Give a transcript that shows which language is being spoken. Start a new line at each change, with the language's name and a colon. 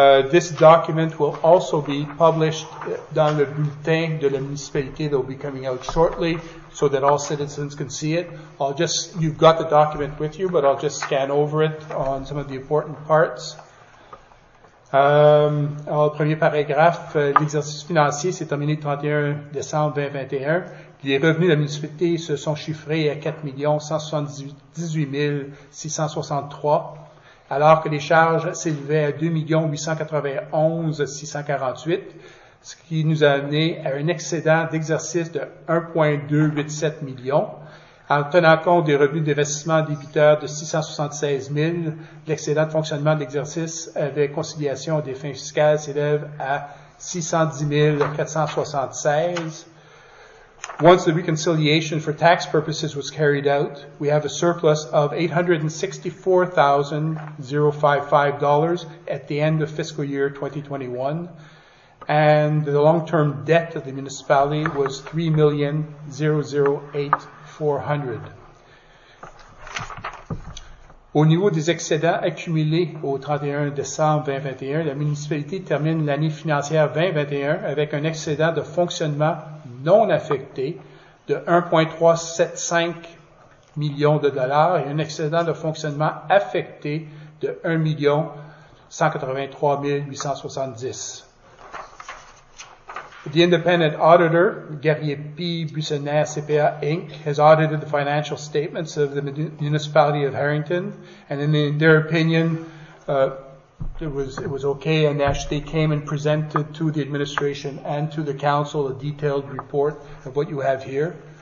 English: This document will also be published
French: dans le bulletin de la municipalité
English: that will be coming out shortly so that all citizens can see it. You've got the document with you, but I'll just scan over it on some of the important parts.
French: Alors, le premier paragraphe, l'exercice financier s'est terminé le 31 décembre 2021. Les revenus de la municipalité se sont chiffrés à 4,178,663. Alors que les charges s'élevaient à 2,891,648, ce qui nous a amené à un excédent d'exercice de 1,287 millions. En tenant compte des revenus d'investissement débiteurs de 676 000, l'excédent de fonctionnement de l'exercice avec conciliation des fins fiscales s'élève à 610 476.
English: Once the reconciliation for tax purposes was carried out, we have a surplus of $864,055 at the end of fiscal year 2021, and the long-term debt of the municipality was $3,008,400.
French: Au niveau des excédents accumulés au 31 décembre 2021, la municipalité termine l'année financière 2021 avec un excédent de fonctionnement non affecté de 1,375 millions de dollars et un excédent de fonctionnement affecté de 1,183,870.
English: The independent auditor,
French: Guerrier P.
English: Buissonnière CPA Inc., has audited the financial statements of the municipality of Harrington, and in their opinion, it was okay, and actually came and presented to the administration and to the council a detailed report of what you have here.